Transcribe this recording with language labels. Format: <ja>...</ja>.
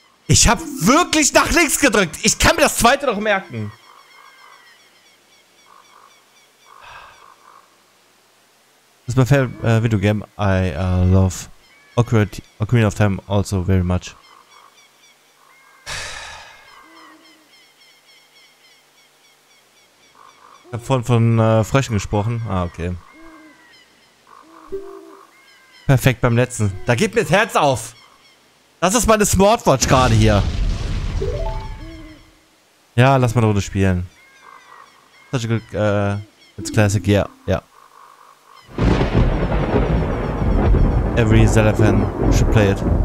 <de>Ich hab wirklich nach links gedrückt. Ich kann mir das zweite noch merken. Das ist mein Favorite-Video-Game.</de> <en>I love Ocarina of Time also very much.</en> <de>Ich hab vorhin von Fröschen gesprochen. Ah, okay. Perfekt beim letzten. Da gib mir das Herz auf. Das ist meine Smartwatch gerade hier. Ja, lass mal eine Runde spielen.</de> <en>Such a good, it's classic, yeah, yeah. Every Zelda fan should play it.</en>